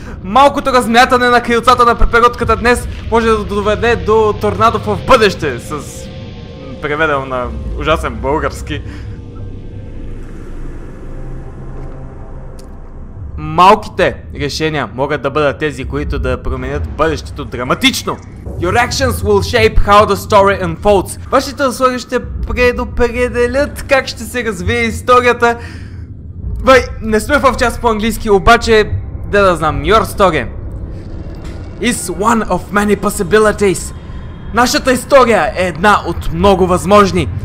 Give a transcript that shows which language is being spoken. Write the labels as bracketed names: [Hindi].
[Bulgarian] Малкото размятане на крилцата на пеперудката днес може да доведе до торнадо в бъдеще. С... преведено на ужасен български. Малките решения могат да бъдат тези, които да променят бъдещето драматично. [English] Your actions will shape how the story unfolds. [Bulgarian] Вашите услуги ще предопределят как ще се развие историята. Бай, не сме в част по-английски, обаче да знам. [English] Your story is one of many possibilities. [Bulgarian] Нашата история е една от много възможни.